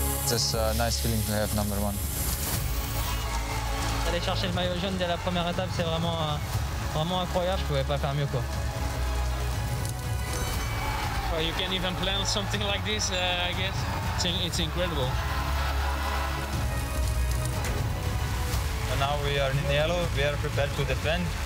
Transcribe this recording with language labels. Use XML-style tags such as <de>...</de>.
<en>It's a nice feeling to have number one.</en> <fr>Aller chercher le maillot jaune dès la première étape, c'est vraiment incroyable. Je pouvais pas faire mieux, quoi.</fr> <en>Well, you can even plan something like this, I guess. It's incredible. And now we are in yellow. We are prepared to defend.</en>